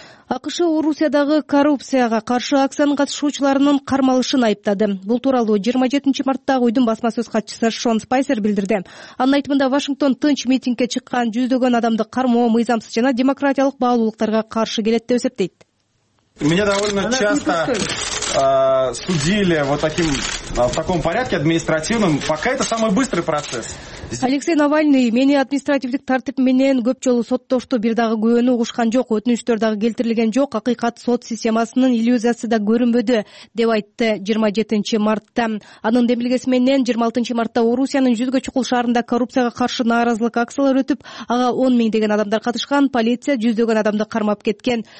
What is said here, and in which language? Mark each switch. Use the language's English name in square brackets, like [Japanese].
[Kyrgyz] АКШ Орусиядагы коррупцияга каршы акциянын катышуучуларынын кармалышын айыптады. Бул тууралуу 27 мартта уйдун басма сөз катчысы Шон Спайсер билдирди. Анын айтымында Вашингтон тынч митингге чыккан жүздөгөн адамды кармоо мыйзамсыз жана демократиялык баалуулуктарга каршы келет деп эсептейт. [Russian] Меня довольно часто судили вот таким в таком порядке административном, пока это самый быстрый процесс. [Kyrgyz] Алексей Навальный, мени административдик тартип менен көп жолу соттошту, бир дагы күбөнү угушкан жок, өтүнүчтөр дагы келтирилген жок, акыйкат сот системасынын иллюзиясы да көрүнбөдү деп айтты 27 мартта. Анын демилгеси менен 26 мартта Орусиянын жүзгө чукул шаарында коррупцияга каршы нааразылык акциялары өтүп, ага 10 миңдеген адамдар катышкан, полиция жүздөгөн адамды кармап кеткен.